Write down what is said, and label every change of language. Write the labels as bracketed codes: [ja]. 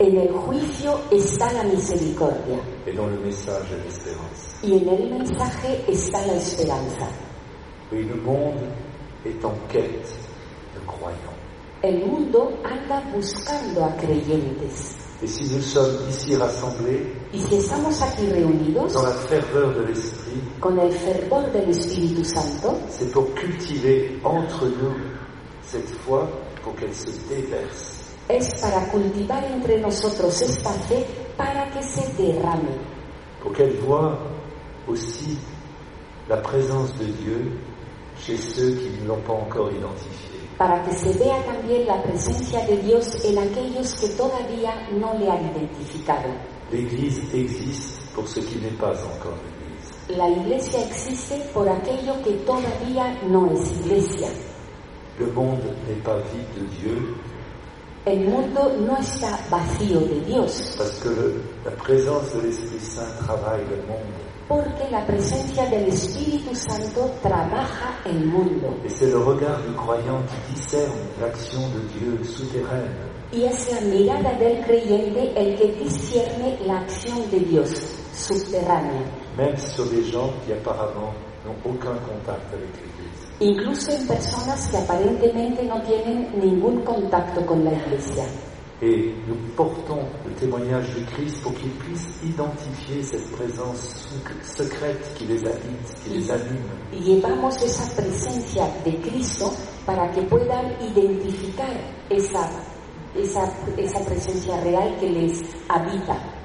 [es] En el juicio está la misericordia. [fr] Et dans le message et l'espérance. [es] Y en el mensaje está la esperanza. [fr] Oui, le monde est en quête de croyants. [es] El mundo anda buscando a creyentes. [fr] Et si nous sommes ici rassemblés, [es] y si estamos aquí reunidos, [fr] dans la ferveur de l'esprit, [es] con el fervor del Espíritu Santo, [fr] c'est pour cultiver entre nous cette foi pour qu'elle se déverse. [es] Es para cultivar entre nosotros esta fe para que se derrame. [fr] Pour qu'elle voie aussi la présence de Dieu chez ceux qui ne l'ont pas encore identifié. [es] Para que se vea también la presencia de Dios en aquellos que todavía no le han identificado. [fr] L'Église existe pour ce qui n'est pas encore l'Église. [es] La Iglesia existe por aquello que todavía no es Iglesia. [fr] Le monde n'est pas vide de Dieu. [es] El mundo no está vacío de Dios. [fr] Parce que la présence de l'Esprit Saint travaille le monde. [es] Porque la presencia del Espíritu Santo trabaja el mundo. [fr] Et c'est le regard du croyant qui discerne l'action de Dieu souterraine. [es] Y es la mirada del creyente el que discierne la acción de Dios subterránea. [fr] Même sur des gens qui apparemment n'ont aucun contact avec l'Église. [es] Incluso en personas que aparentemente no tienen ningún contacto con la Iglesia. [fr] Et nous portons le témoignage de Christ pour qu'ils puissent identifier cette présence secrète qui les habite, qui les anime. [es] Llevamos esa presencia de Cristo para que puedan identificar esa presencia real que les habita.